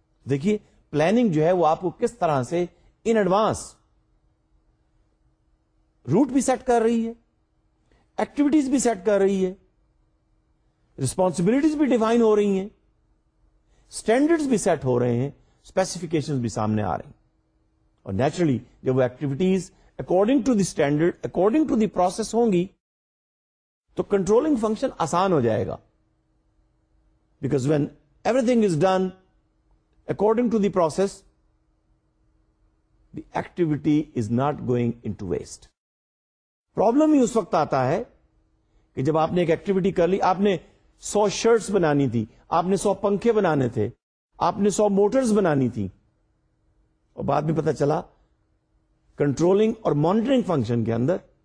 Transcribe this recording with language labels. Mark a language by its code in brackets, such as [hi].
[ur] دیکھیے پلاننگ جو ہے وہ آپ کو کس طرح سے [en] ان ایڈوانس [ur] روٹ بھی سیٹ کر رہی ہے، ایکٹیویٹیز بھی سیٹ کر رہی ہے، ریسپانسبلٹیز بھی ڈیفائن ہو رہی ہیں، اسٹینڈرڈز بھی سیٹ ہو رہے ہیں، اسپیسیفکیشنز بھی سامنے آ رہی ہیں، اور نیچرلی جب وہ activities [en] according to the standard according to the process [ur] ہوں گی تو کنٹرولنگ فنکشن آسان ہو جائے گا، [en] Because when everything is done according to the process, the activity is not going into waste. [ur] Problem ہی اس وقت آتا ہے کہ جب آپ نے ایک ایکٹیویٹی کر لی, آپ نے 100 shirts بنانی تھی, آپ نے 100 پنکھے بنانے تھے, آپ نے 100 motors بنانی تھی, اور بعد میں پتا چلا کنٹرولنگ اور مانیٹرنگ فنکشن کے اندر